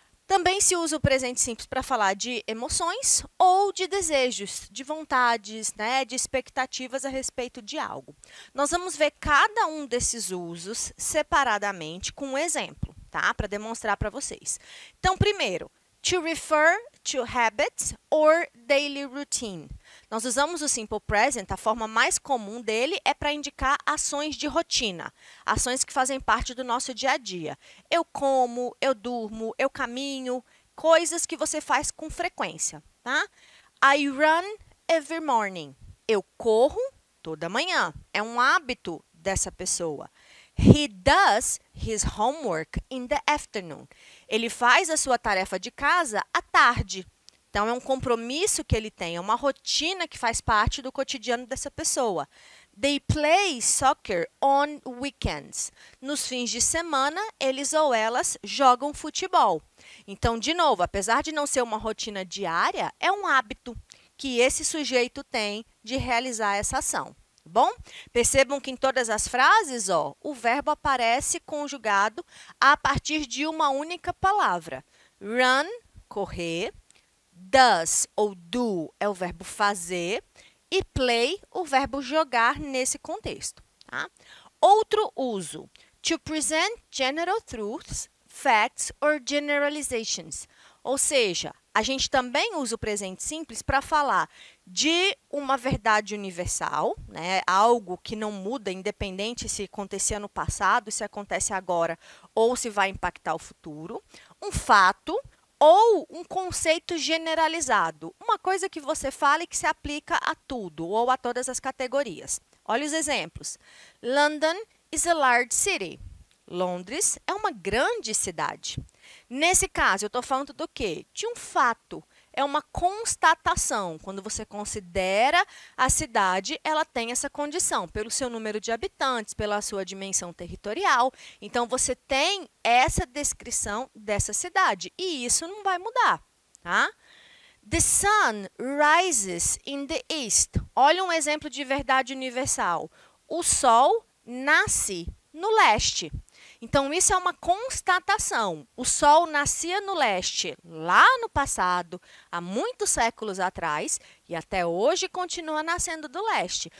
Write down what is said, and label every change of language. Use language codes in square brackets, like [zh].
[pt] Também se usa o presente simples para falar de emoções ou de desejos, de vontades, né, de expectativas a respeito de algo. Nós vamos ver cada um desses usos separadamente com um exemplo, tá? Para demonstrar para vocês. Então, primeiro, [en] to refer to habits or daily routine. [pt] Nós usamos o simple present, a forma mais comum dele é para indicar ações de rotina, ações que fazem parte do nosso dia a dia. Eu como, eu durmo, eu caminho, coisas que você faz com frequência. Tá? [en] I run every morning. [pt] Eu corro toda manhã. É um hábito dessa pessoa. [en] He does his homework in the afternoon. [pt] Ele faz a sua tarefa de casa à tarde. Então, é um compromisso que ele tem, é uma rotina que faz parte do cotidiano dessa pessoa. [en] They play soccer on weekends. [pt] Nos fins de semana, eles ou elas jogam futebol. Então, de novo, apesar de não ser uma rotina diária, é um hábito que esse sujeito tem de realizar essa ação. Bom, percebam que em todas as frases, ó, o verbo aparece conjugado a partir de uma única palavra. Run, correr. Does ou do é o verbo fazer e play o verbo jogar nesse contexto. Tá? Outro uso, [en] to present general truths, facts or generalizations. [pt] Ou seja, a gente também usa o presente simples para falar de uma verdade universal, né? Algo que não muda, independente se acontecia no passado, se acontece agora ou se vai impactar o futuro. Um fato ou um conceito generalizado, uma coisa que você fala e que se aplica a tudo ou a todas as categorias. Olha os exemplos. [en] London is a large city. [pt] Londres é uma grande cidade. Nesse caso, eu estou falando do quê? De um fato. É uma constatação. Quando você considera a cidade, ela tem essa condição, pelo seu número de habitantes, pela sua dimensão territorial. Então, você tem essa descrição dessa cidade. E isso não vai mudar. Tá? [en] The sun rises in the east. [pt] Olha um exemplo de verdade universal. O sol nasce no leste. Então, isso é uma constatação. O sol nascia no leste lá no passado, há muitos séculos atrás, e até hoje continua nascendo do leste.